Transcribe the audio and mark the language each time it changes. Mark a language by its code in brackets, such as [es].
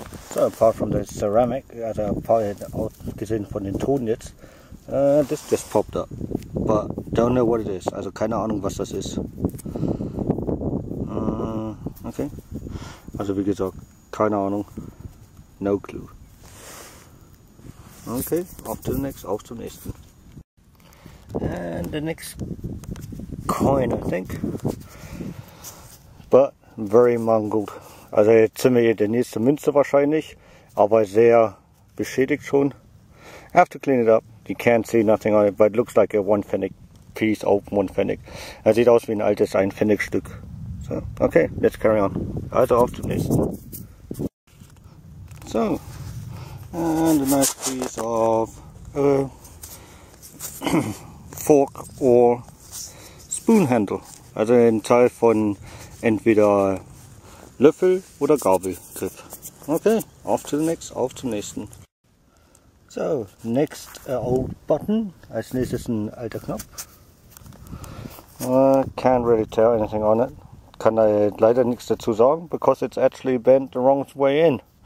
[en] So, apart from the ceramic, [de] also abgesehen von den Ton jetzt, [en] this just popped up, but don't know what it is, [de] also keine Ahnung, was das ist. Okay, also wie gesagt, keine Ahnung, [en] no clue. [de] Okay, auf zum nächsten, auf zum nächsten. [en] And the next coin, I think, but very mangled. [de] Also jetzt sind wir hier der nächste Münze wahrscheinlich, aber sehr beschädigt schon. [en] I have to clean it up. You can't see nothing on it, but it looks like a one pfennig piece, open one pfennig. [de] Es sieht aus wie ein altes ein pfennig Stück. [en] So, okay, let's carry on. [de] Also auf zum nächsten. [en] So, and a nice piece of fork or spoon handle. [de] Also ein Teil von entweder Löffel oder Gabelgriff. [en] Okay, off to the next, [de] auf zum nächsten. [en] So, next old button. [de] Als nächstes ein alter Knopf. [en] Can't really tell anything on it. [de] Kann da leider nichts dazu sagen, [en] because it's actually bent the wrong way in.